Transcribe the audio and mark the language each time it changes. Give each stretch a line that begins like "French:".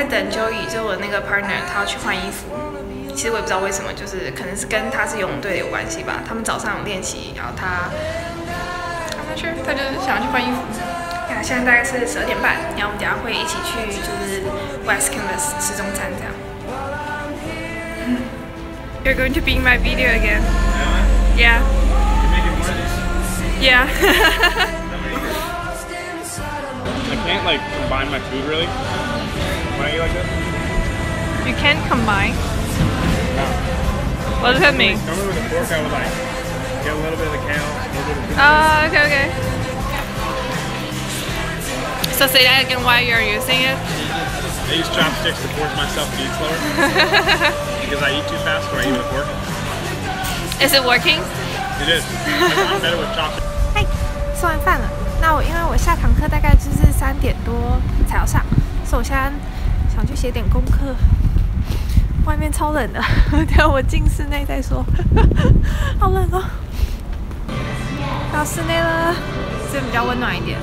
Chinese: Joey 就我那个 partner， 他要去换衣服。其实我也不知道为什么，就是可能是跟他是游泳队有关系吧。他们早上有练习，然后他
English: I'm not sure，
Chinese: 他就想要去换衣服。现在大概是12:30，然后我们等一下会一起去就是 West Campus 吃中餐这样。
English: You're going to be in my video again. Yeah. Yeah. I can't like combine my food really. Like、 you can't combine. No. What does that mean? Normally with a fork, I would like get a little bit of the kale, a little bit of the kale. Oh, okay, okay. So say that again, why you're using it? I use chopsticks to force myself to eat slower. Because I eat too fast when I eat with a fork. Is it working? It is. I'm better with chopsticks. Hi.
Chinese: 吃完饭了，那我因为我下堂课大概就是3点多才要上，所以我现在想去写点功课。外面超冷的，等下我进室内再说。好冷哦，到室内了，这边比较温暖一点。